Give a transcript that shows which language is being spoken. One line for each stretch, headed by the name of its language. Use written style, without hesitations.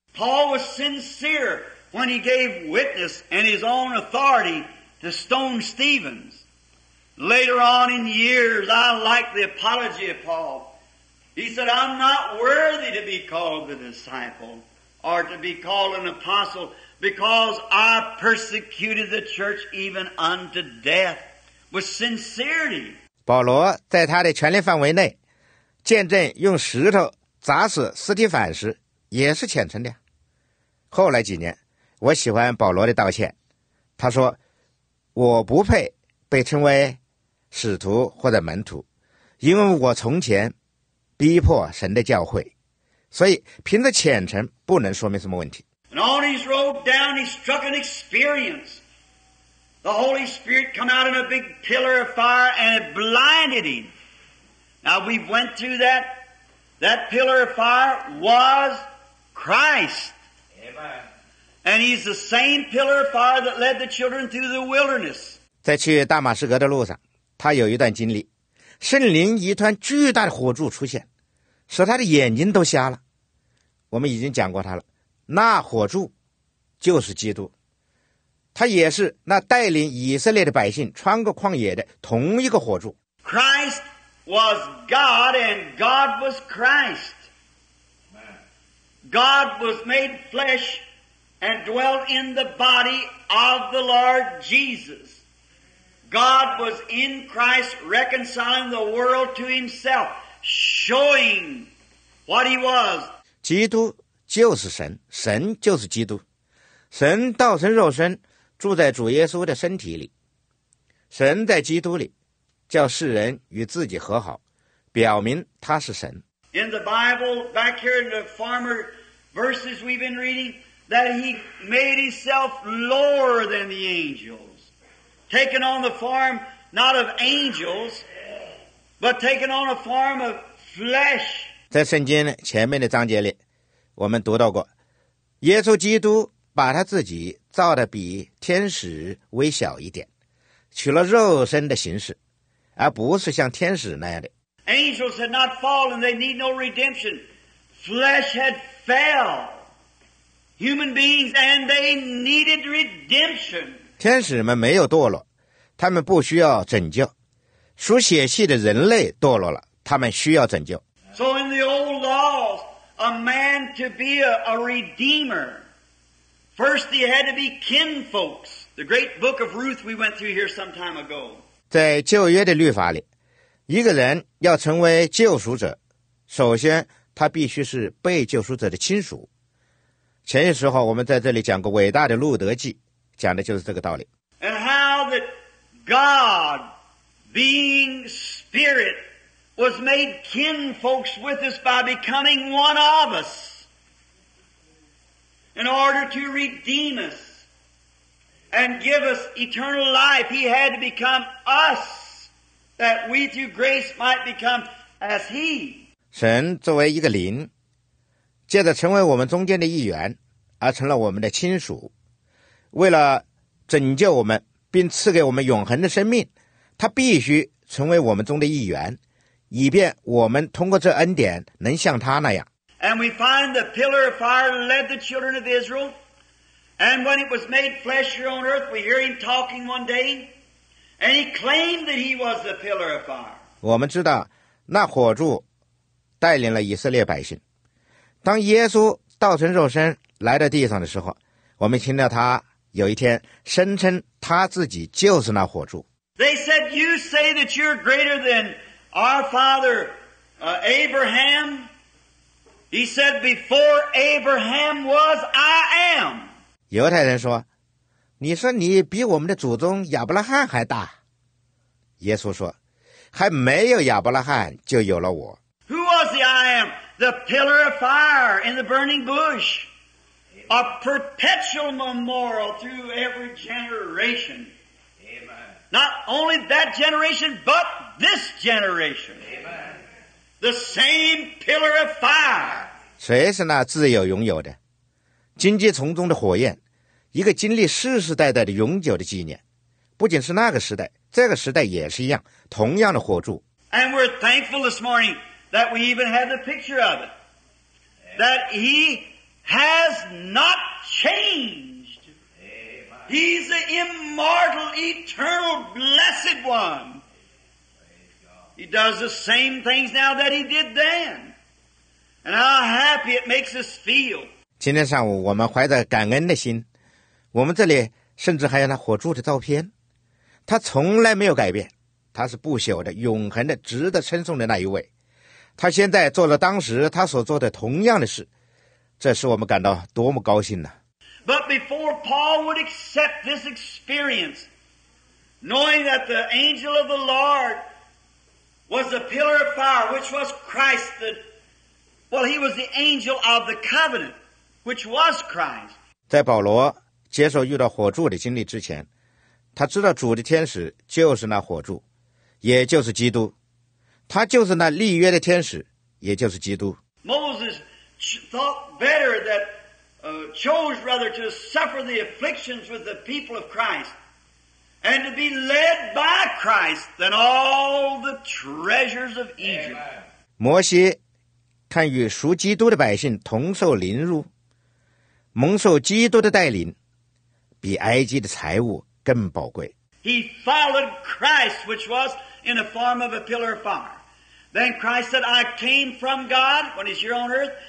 English: Paul was sincere. When he gave witness and his own authority to stone Stephens. Later on in years, I like the apology of Paul. He said, I'm not worthy to be called the disciple or to be called an apostle because I persecuted the church even unto death with sincerity.
Chinese: 保罗在他的权力范围内见证用石头砸死斯蒂凡时也是虔诚的。后来几年我喜欢保罗的道歉，他说：“我不配被称为使徒或者门徒，因为我从前逼迫神的教会，所以凭着虔诚不能说明什么问题。”
English: And on his road down, he struck an experience. The Holy Spirit come out in a big pillar of fire and it blinded him. Now we went through that. That pillar of fire was Christ. Amen. And he's the same pillar of fire that led the children through the wilderness.
Chinese: 在去大马士革的路上，他有一段经历，圣灵一团巨大的火柱出现，使他的眼睛都瞎了。我们已经讲过他了，那火柱就是基督，他也是那带领以色列的百姓穿过旷野的同一个火柱。
English: Christ was God, and God was Christ. God was made flesh. And dwelt in the body of the Lord Jesus. God was in Christ reconciling the world to himself, showing what he was.
Chinese: 基督就是神，神就是基督。神道成肉身，住在主耶稣的身体里。神在基督里，叫世人与自己和好，表明他是神。
English: In the Bible, back here in the former verses we've been reading,That he made himself lower than the angels, taking on the form not of angels, but taking on a form of flesh.
Chinese: 在圣经前面的章节里，我们读到过，耶稣基督把他自己造得比天使微小一点，取了肉身的形式，而不是像天使那样的。
English: Angels had not fallen. They need no redemption. Flesh had fell. Human beings, and they needed redemption.
Chinese: 天使们没有堕落，他们不需要拯救。属血气的人类堕落了，他们需要拯救。
English: So in the old law, a man to be a redeemer, first he had to be kinfolks. The great book of Ruth we went through here some time ago.
Chinese: 在旧约的律法里，一个人要成为救赎者，首先他必须是被救赎者的亲属。前些时候我们在这里讲过伟大的路德记，讲的就是这个道理。
English: And how that God, being spirit, was made kinfolks with us by becoming one of us in order to redeem us and give us eternal life. He had to become us that we through grace might become as He.
Chinese: 神作为一个灵，借着成为我们中间的一员而成了我们的亲属，为了拯救我们并赐给我们永恒的生命，他必须成为我们中的一员，以便我们通过这恩典能像他那样。
English: And we find the pillar of fire led the children of Israel, and when it was made flesh here on earth, we hear him talking one day, and he claimed that he was the pillar of fire.
Chinese: 我们知道那火柱带领了以色列百姓，当耶稣道成肉身来到地上的时候，我们听到他有一天声称他自己就是那火柱。
English: They said, you say that you're greater than our father, Abraham. He said, before Abraham was, I am.
Chinese: 犹太人说，你说你比我们的祖宗亚伯拉罕还大。耶稣说，还没有亚伯拉罕就有了我。
English: Who was the I am? The pillar of fire in the burning bush. A perpetual memorial through every generation. Amen. Not only that generation, but this generation. Amen. The same pillar of fire.
Chinese: 谁是那自由拥有的？荆棘丛中的火焰，一个经历世世代代的永久的纪念。不仅是那个时代，这个时代也是一样，同样的火柱。
English: And we're thankful this morning that we even have the picture of it. That he... has not changed. He's the immortal, eternal, blessed one. He does the same things now that he did then. And how happy it makes us feel.
Chinese: 今天上午我们怀着感恩的心，我们这里甚至还有那火柱的照片。他从来没有改变，他是不朽的、永恒的、值得称颂的那一位。他现在做了当时他所做的同样的事，这使我们感到多么高兴呢。
English: But before Paul would accept this experience, knowing that the angel of the Lord was the pillar of fire, which was Christ, he was the angel of the covenant, which was Christ.
Chinese: 在保罗接受遇到火柱的经历之前，他知道主的天使就是那火柱，也就是基督。他就是那立约的天使，也就是基督。
English: Moses thought better that, chose rather to suffer the afflictions with the people of Christ and to be led by Christ than all the treasures of Egypt.
Chinese: 摩西看与属基督的百姓同受凌辱，蒙受基督的带领，比埃及的财物更宝贵。
English: He followed Christ, which was in the form of a pillar of fire. Then Christ said, I came from God when he's here on earth.